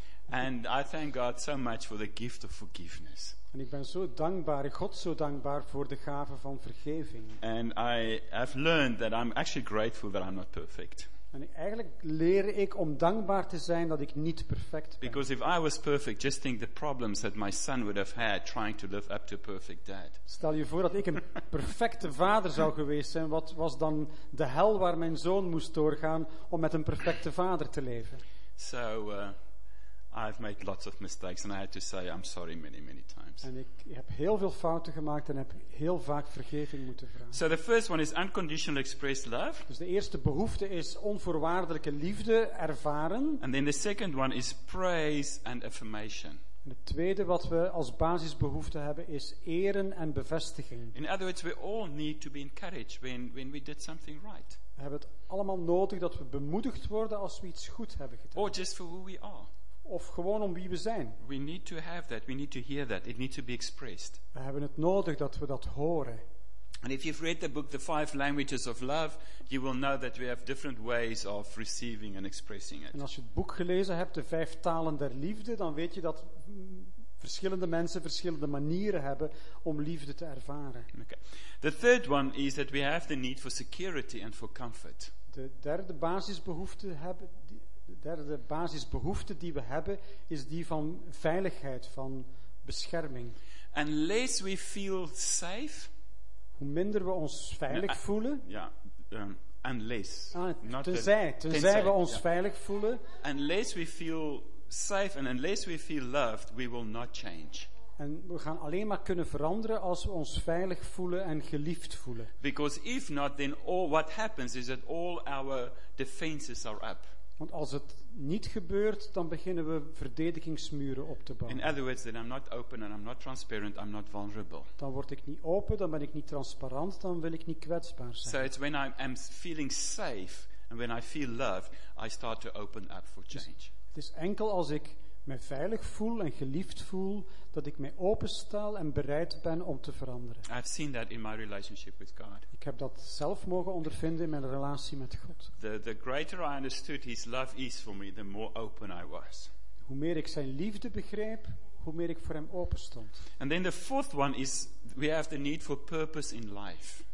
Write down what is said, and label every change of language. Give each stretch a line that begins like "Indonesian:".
English: And I thank God so much for the gift of forgiveness.
Dutch: En ik ben zo dankbaar, God zo dankbaar voor de gave van vergeving.
English: And I have learned that I'm actually grateful that I'm not perfect.
Dutch: En eigenlijk leer ik om dankbaar te zijn dat ik niet perfect ben.
English: Because if I was perfect, just think the problems that my son would have had trying to live up to a perfect dad.
Dutch: Stel je voor dat ik een perfecte vader zou geweest zijn. Wat was dan de hel waar mijn zoon moest doorgaan om met een perfecte vader te leven?
English: So I've made lots of mistakes and I had to say I'm sorry many, many times.
Dutch: En ik heb heel veel fouten gemaakt en heb heel vaak vergeving moeten vragen.
English: So the first one is unconditional expressed love.
Dutch: Dus de eerste behoefte is onvoorwaardelijke liefde ervaren.
English: And then the second one is praise and affirmation.
Dutch: En het tweede wat we als basisbehoefte hebben is eren en bevestiging.
English: In other words, we all need to be encouraged when we did something right.
Dutch: We hebben het allemaal nodig dat we bemoedigd worden als we iets goed hebben gedaan.
English: Or just for who we are.
Dutch: Of gewoon om wie we zijn.
English: We need to have that. We need to hear that. It needs to be expressed.
Dutch: We hebben het nodig dat we dat horen.
English: And if you've read the book The Five Languages of Love, you will know that we have different ways of receiving and expressing it.
Dutch: En als je het boek gelezen hebt, De Vijf Talen der Liefde, dan weet je dat verschillende mensen verschillende manieren hebben om liefde te ervaren.
English: Okay. The third one is that we have the need for security and for comfort.
Dutch: De derde basisbehoefte die we hebben is die van veiligheid, van bescherming.
English: Unless we feel safe,
Dutch: hoe minder we ons veilig voelen.
English: Ja, unless.
Dutch: Tenzij we ons veilig voelen.
English: Unless we feel safe and unless we feel loved, we will not change.
Dutch: En we gaan alleen maar kunnen veranderen als we ons veilig voelen en geliefd voelen.
English: Because if not, then all what happens is that all our defenses are up.
Dutch: Want als het niet gebeurt, dan beginnen we verdedigingsmuren op te bouwen.
English: In other words, then I'm not open and I'm not transparent, I'm not vulnerable.
Dutch: Dan word ik niet open, dan ben ik niet transparant, dan wil ik niet kwetsbaar zijn.
English: So it's when I am feeling safe and when I feel loved, I start to open up for change.
Dutch: Het is enkel als ik mij veilig voel en geliefd voel, dat ik mij openstel en bereid ben om te veranderen.
English: I've seen that in my relationship with God.
Dutch: Ik heb dat zelf mogen ondervinden in mijn relatie met God.
English: The greater I understood His love is for me, the more open I was.
Dutch: Hoe meer ik zijn liefde begreep, hoe meer ik voor hem open stond.
English: And then the fourth one is we have the need for purpose in life.